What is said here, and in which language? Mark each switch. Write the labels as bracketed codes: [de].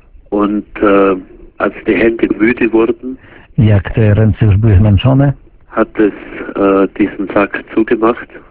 [de] Und als die Hände müde wurden. [pl] Jak te ręce już były zmęczone. [de] Hat es diesen Sack zugemacht.